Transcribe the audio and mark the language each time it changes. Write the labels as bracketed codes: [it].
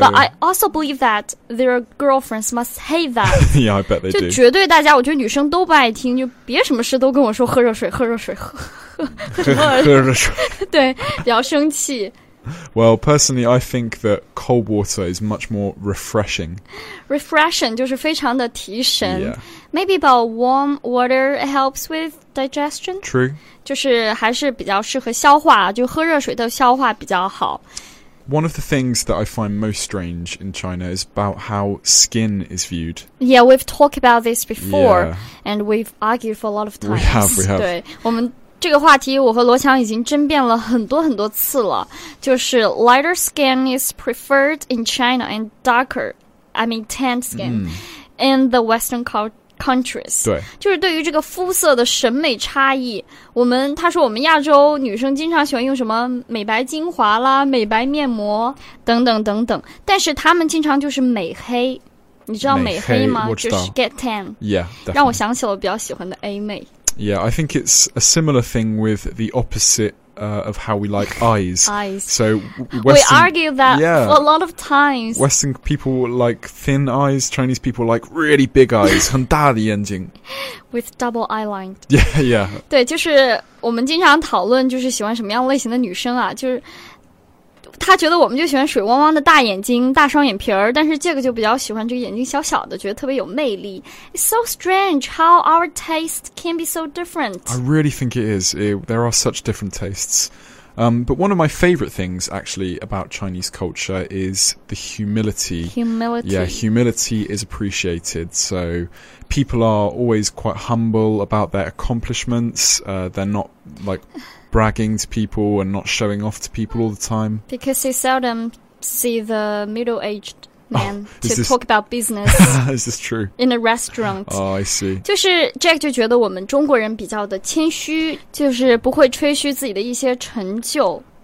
[en] but I also believe that their girlfriends must hate that. yeah, I bet they [zh] 就 [en] do. [zh] 就绝对大家，我觉得女生都不爱听，就别什么事都跟我说喝热水，喝热水，喝热水。对，比较生气。 [en] Well, personally, I think that cold water is much more refreshing. [zh] Refreshing 就是非常的提神。 [en] Yeah. Maybe about warm water helps with digestion. True. [zh] 就是还是比较适合消化，就喝热水的消化比较好。 [en] One of the things that I find most strange in China is about how skin is viewed. Yeah, we've talked about this before. Yeah. And we've argued for a lot of times. We have. [zh] 对，我们这个话题我和罗强已经争辩了很多很多次了就是 [en] lighter skin is preferred in China and darker, I mean tan skin,、 [zh] mm. [en] in the western countries. [zh] 对。就是对于这个肤色的审美差异我们他说我们亚洲女生经常喜欢用什么美白精华啦美白面膜等等等等但是他们经常就是美黑。你知道美黑吗美黑 [en] 就是 get tan. Yeah, definitely. [zh] 让我想起了我比较喜欢的 A 妹。 [en] Yeah, I think it's a similar thing with the opposite、of how we like eyes. Eyes. So, Western, we argue that、 yeah. a lot of times. Western people like thin eyes, Chinese people like really big eyes, [zh] 很大的眼睛 [en] With double eyeline. Yeah, yeah. [zh] 对，就是我们经常讨论就是喜欢什么样类型的女生啊，就是他觉得我们就喜欢水汪汪的大眼睛大双眼皮儿但是这个就比较喜欢这个眼睛小小的觉得特别有魅力 [en] It's so strange how our taste can be so different I really think it is There are such different tastes But one of my favorite things actually about Chinese culture is the humility Humility Yeah, humility is appreciated So people are always quite humble about their accomplishments They're not like... bragging to people and not showing off to people all the time. Because they seldom see the middle-aged man、oh, to talk about business. is this true? In a restaurant. Oh, I see. [zh] 就是 Jack 就觉得我们中国人比较的谦虚，就是不会吹嘘自己的一些成就。